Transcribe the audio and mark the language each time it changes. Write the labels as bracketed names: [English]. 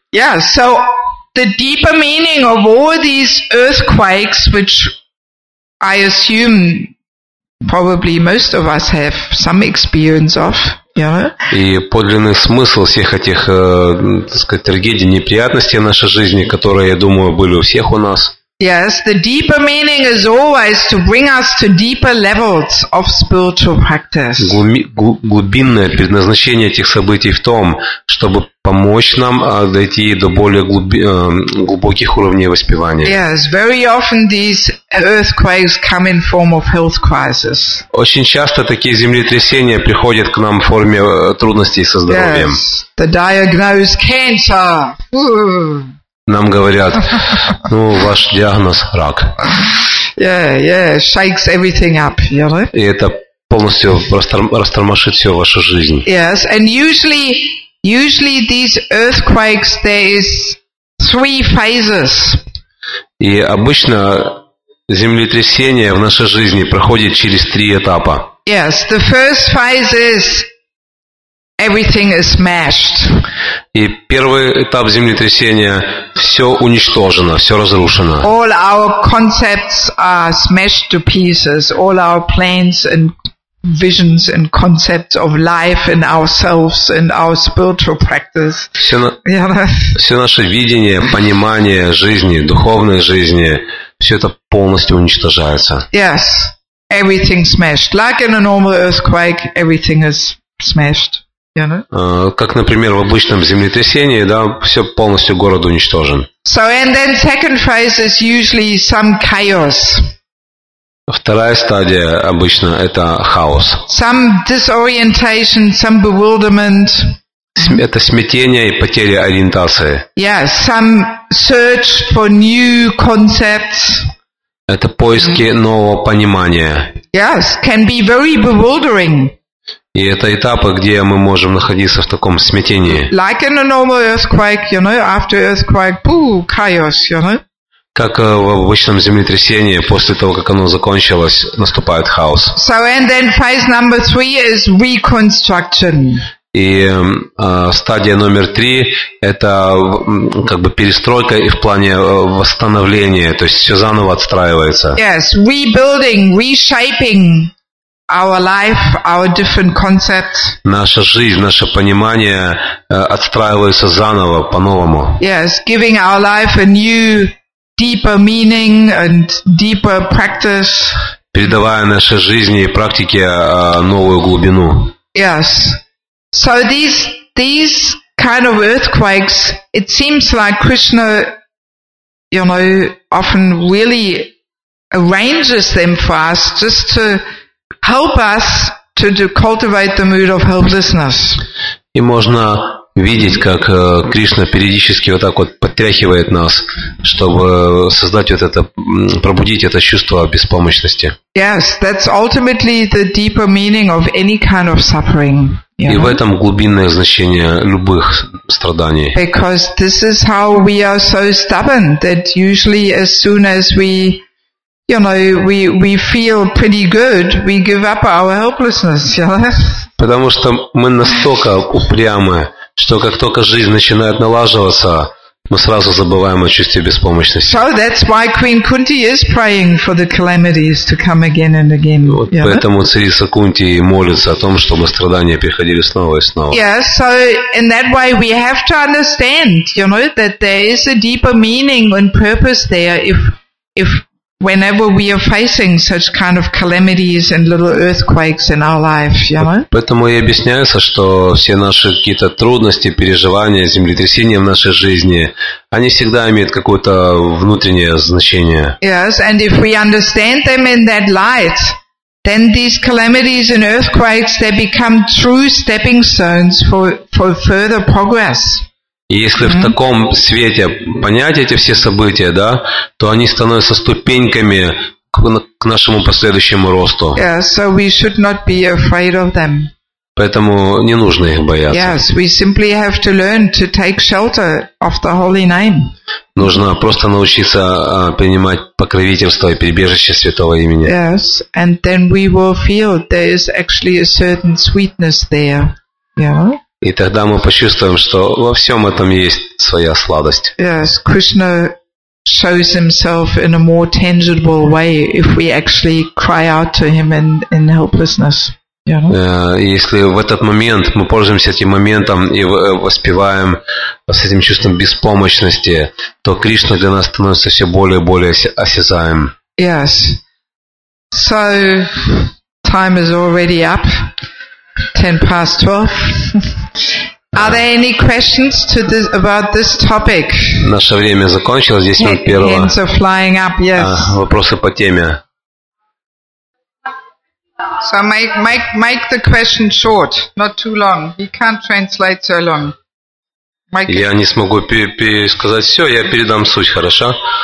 [English] Yeah, so the deeper meaning of all these earthquakes, which I assume probably most of us have some experience of, you know? [Russian] И подлинный смысл всех этих, так сказать, трагедий, неприятностей в нашей жизни, которые, я думаю, были у всех у нас. [English] Yes, the deeper meaning is always to bring us to deeper levels of spiritual practice. [Russian] Глубинное предназначение этих событий в том, чтобы помочь нам дойти до более глубоких уровней воспевания. [English] Yes, very often these earthquakes come in form of health crisis. [Russian] Очень часто такие землетрясения приходят к нам в форме трудностей со здоровьем. [English] Yes, the diagnosed cancer. [Russian] Нам говорят, ну, ваш диагноз – рак. [English] Yeah, yeah, shakes everything up, you know? [Russian] И это полностью растормошит всю вашу жизнь. [English] Yes, and usually these earthquakes, there is three phases. [Russian] И обычно землетрясение в нашей жизни проходит через три этапа. [English] Yes, the first phase is everything is smashed. [Russian] И первый этап землетрясения – все уничтожено, все разрушено. [English] All our concepts are smashed to pieces. All our plans and visions and concepts of life and ourselves and our spiritual practice. [Russian] Все наше видение, понимание жизни, духовной жизни – все это полностью уничтожается. [English] Yes, everything smashed. Like in a normal earthquake, everything is smashed. You know? [Russian] Как, например, в обычном землетрясении, да, все полностью город уничтожен. [English] So, and then second phase is usually some chaos. [Russian] Вторая стадия обычно это хаос. [English] Some disorientation, some bewilderment. [Russian] Это смятение и потеря ориентации. [English] Yeah, some search for new concepts. [Russian] Это поиски нового понимания. [English] Yes, can be very bewildering. [Russian] И это этапы, где мы можем находиться в таком смятении. [English] Like in a normal earthquake, you know, after earthquake, boo, chaos, you know. [Russian] Как в обычном землетрясении, после того, как оно закончилось, наступает хаос. [English] So, and then phase number three is reconstruction. [Russian] И стадия номер три – это как бы перестройка и в плане восстановления, то есть все заново отстраивается. [English] Yes, rebuilding, reshaping. Our life, our different concepts. [Russian] Наша жизнь, наше понимание отстраивается заново, по-новому. [English] Yes, giving our life a new, deeper meaning and deeper practice. [Russian] Передавая нашей жизни и практике новую глубину. [English] Yes. So these kind of earthquakes, it seems like Krishna, you know, often really arranges them for us just to help us to cultivate the mood of helplessness. [Russian] И можно видеть, как Кришна периодически вот так вот подтряхивает нас, чтобы создать вот это, пробудить это чувство беспомощности. [English] Yes, that's ultimately the deeper meaning of any kind of suffering. [Russian] И в этом глубинное значение любых страданий. [English] Because this is how we are so stubborn that usually as soon as we, you know, we feel pretty good, we give up our helplessness, you know? [Russian] Потому что мы настолько упрямы, что как только жизнь начинает налаживаться, мы сразу забываем о чувстве беспомощности. [English] So that's why Queen Kunti is praying for the calamities to come again and again. [Russian] Вот поэтому царица Кунти молится о том, чтобы страдания приходили снова и снова. [English] Yes, so in that way we have to understand, you know, that there is a deeper meaning and purpose there if whenever we are facing such kind of calamities and little earthquakes in our life, you know? [Russian] Поэтому и объясняется, что все наши какие-то трудности, переживания, землетрясения в нашей жизни, они всегда имеют какое-то внутреннее значение. [English] Yes, and if we understand them in that light, then these calamities and earthquakes, they become true stepping stones for further progress. [Russian] И если в таком свете понять эти все события, да, то они становятся ступеньками к нашему последующему росту. [English] Yeah, so we should not be afraid of them. [Russian] Поэтому не нужно их бояться. [English] Yes, we simply have to learn to take shelter of the holy name. [Russian] Нужно просто научиться принимать покровительство и прибежище святого имени. [English] Yes, and then we will feel there is actually a certain sweetness there. Yeah. [Russian] И тогда мы почувствуем, что во всем этом есть своя сладость. [English] Yes, Krishna shows himself in a more tangible way if we actually cry out to him in helplessness. [Russian] Если в этот момент мы пользуемся этим моментом и воспеваем с этим чувством беспомощности, то Кришна для нас становится все более и более осязаем. [English] Yes. So time is already up. 10 past 12. Are there any questions to this about this topic? [Russian] Наше время закончилось, 10 минут первого. [English] Hands are flying up. Yes. [Russian] Вопросы по теме. [English] So make the question short, not too long. He can't translate so long. [Russian] Я не смогу пересказать все, я передам суть, хорошо?